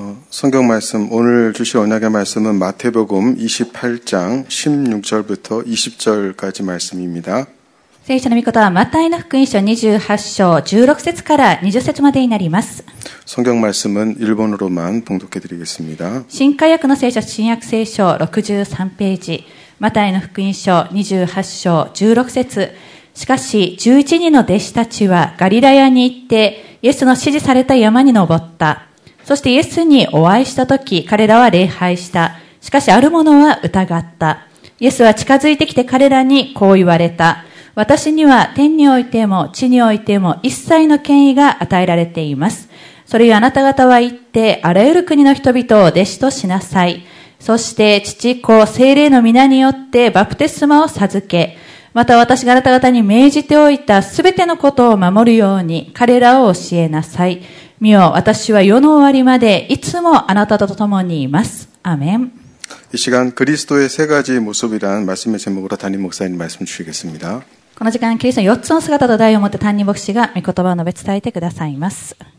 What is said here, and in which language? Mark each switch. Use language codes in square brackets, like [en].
[ko] 성경말씀오늘주신언약의말씀은마태복음28장16절부터20절까지말씀입니다 [ja] 聖書の御言葉はマタイの福音書28章16節から20節までになります [ko] 성경말씀은일본어로만봉독해드리겠습니다 [ja] 新改訳の聖書新約聖書63ページマタイの福音書28章16節しかし11人の弟子たちはガリラヤに行ってイエスの指示された山に登ったそしてイエスにお会いしたとき、彼らは礼拝した。しかしある者は疑った。イエスは近づいてきて彼らにこう言われた。私には天においても地においても一切の権威が与えられています。それゆえあなた方は行って、あらゆる国の人々を弟子としなさい。そして父子聖霊の御名によってバプテスマを授け。また私があなた方に命じておいたすべてのことを守るように彼らを教えなさい。見よ、私は世の終わりまでいつもあなたと共にいます。アメン。 [ko] 이시간그리스도의세가지모습이라는말씀의제목으로담임목사님말씀주시겠습니다。 [ja] この時間キリストの4つの姿と題を持って担任牧師が御言葉を述べ伝えてくださいます。